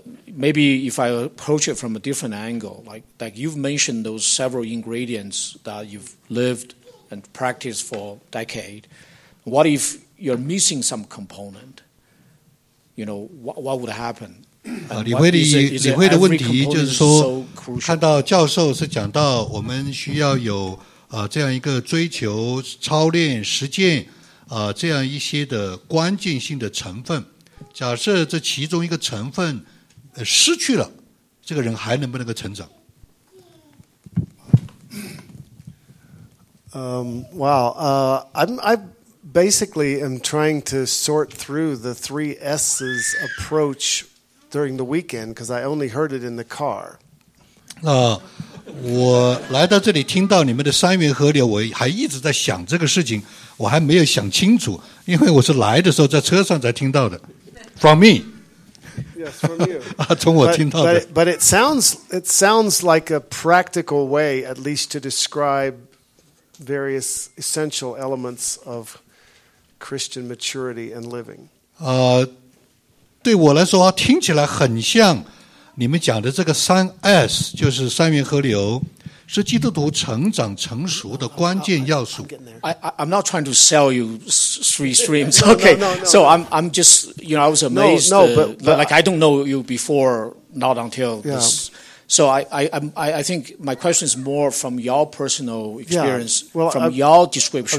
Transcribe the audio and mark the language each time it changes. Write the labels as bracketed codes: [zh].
[en] Maybe if I approach it from a different angle, like you've mentioned those several ingredients that you've lived and practiced for a decade, what if you're missing some component? You know, what would happen? [zh] 李辉的问题就是说，看到教授是讲到我们需要有这样一个追求、操练、实践这样一些的关键性的成分。假设这其中一个成分失去了，这个人还能不能够成长？ [en] I basically am trying to sort through the three S's approach during the weekend because I only heard it in the car. [zh] 我来到这里听到你们的三元合流，我还一直在想这个事情，我还没有想清楚，因为我是来的时候在车上才听到的。 [en] From me. Yes, from you. [zh] 从我听到的。 [en] But it sounds like a practical way, at least to describe various essential elements of Christian maturity and living. [zh] 对我来说，听起来很像你们讲的这个三 S， 就是三元合流，是基督徒成长成熟的关键要素。 [en] I'm not trying to sell you three streams. Okay, so I'm just, you know, I was amazed. No, but I don't know you before, not until this. So I think my question is more from your personal experience, from your description.